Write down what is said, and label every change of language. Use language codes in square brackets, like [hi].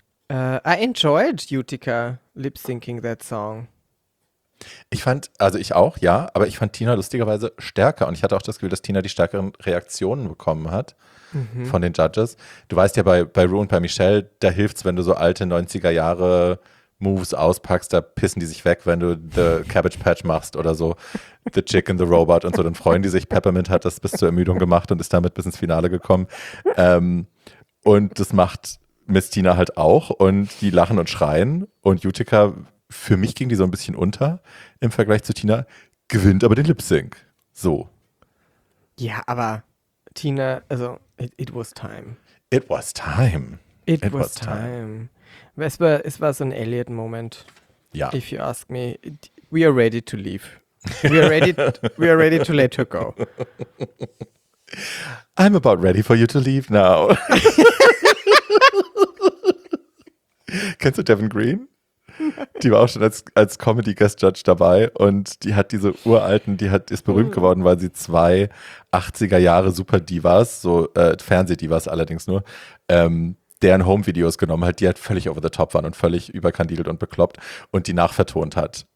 [en] I enjoyed Utica lip-syncing that song. [de] Ich fand Tina lustigerweise stärker und ich hatte auch das Gefühl, dass Tina die stärkeren Reaktionen bekommen hat von den Judges. Du weißt ja, bei Ru und bei Michelle, da hilft es, wenn du so alte 90er Jahre Moves auspackst, da pissen die sich weg, wenn du The Cabbage Patch machst oder so, The Chick and the Robot und so, dann freuen die sich. Peppermint hat das bis zur Ermüdung gemacht und ist damit bis ins Finale gekommen. Und das macht Miss Tina halt auch und die lachen und schreien und Utica, für mich ging die so ein bisschen unter im Vergleich zu Tina, gewinnt aber den Lip-Sync. So. Ja, aber Tina, also [en] it was time. It was time. It was time. [de] Es war so ein Elliot-Moment. Ja. [en] If you ask me, we are ready to leave. We are ready to let her go. I'm about ready for you to leave now. [de] Kennst du Devin Green? Die war auch schon als Comedy Guest Judge dabei und die hat diese uralten, ist berühmt geworden, weil sie zwei 80er Jahre Super Divas, so Fernseh-Divas allerdings nur, deren Home-Videos genommen hat, die halt völlig over the top waren und völlig überkandidelt und bekloppt und die nachvertont hat.